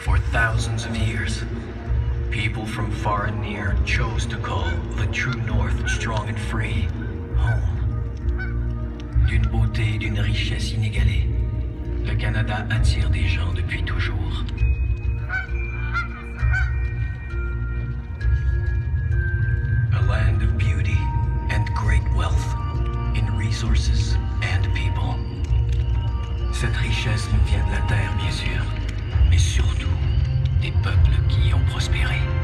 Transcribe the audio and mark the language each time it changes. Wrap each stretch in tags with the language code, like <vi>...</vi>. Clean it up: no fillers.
<en>thousands of years, people from far and near chose to call the true north strong and free home.</en> <fr>D'une beauté et d'une richesse inégalée, le Canada attire des gens depuis toujours.</fr> <en>A land of beauty and great wealth in resources and people.</en> <fr>Cette richesse nous vient de la terre, bien sûr, mais surtout des peuples qui y ont prospéré.</fr>